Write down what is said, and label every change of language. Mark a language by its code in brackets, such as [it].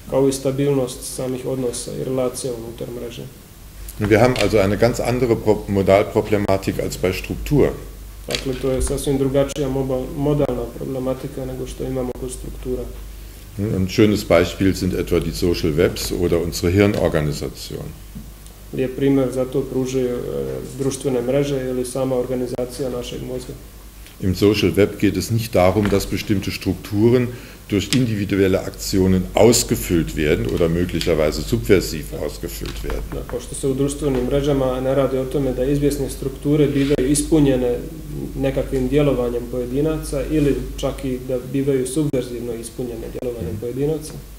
[hr] Kao i stabilnost samih odnosa i relacija unutar mreže. [de] Und wir haben also eine ganz andere Modalproblematik als bei Struktur. [hr] Dakle, to je sasvim drugačija modalna problematika nego što imamo kod struktura. [de] Ein schönes Beispiel sind etwa die Social Webs oder unsere Hirnorganisation. [hr] Lijep primjer za to pružaju društvene mreže ili sama organizacija našeg mozga. [de] Im Social Web geht es nicht darum, dass bestimmte Strukturen durch individuelle Aktionen ausgefüllt werden oder möglicherweise subversiv ausgefüllt werden. [hr] Dakle, što se u društvenim mrežama ne radi o tome da izvjesne strukture bivaju ispunjene nekakvim djelovanjem pojedinaca ili čak i da bivaju subverzivno ispunjene djelovanjem pojedinaca.